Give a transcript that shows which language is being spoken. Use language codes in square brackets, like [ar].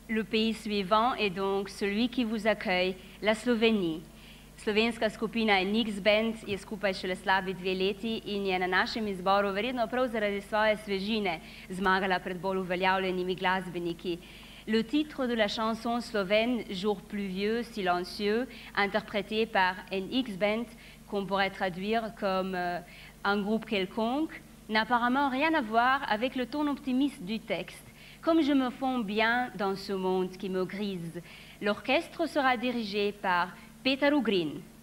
[fr] Pays suivant est donc celui qui vous accueille, la Slovénie. [sl] Slovenska skupina NX Band je skupaj šele slabi dve leti in je na našem izboru verjetno prav zaradi svoje svežine zmagala pred bolj uveljavljenimi glasbeniki. [fr] Le titre de la chanson slovène Jour pluvieux, silencieux, interprété par NX Band, qu'on pourrait traduire comme un groupe quelconque, n'a apparemment rien à voir avec le ton optimiste du texte. Comme je me fonds bien dans ce monde qui me grise, l'orchestre sera dirigé par Petar Ugrin.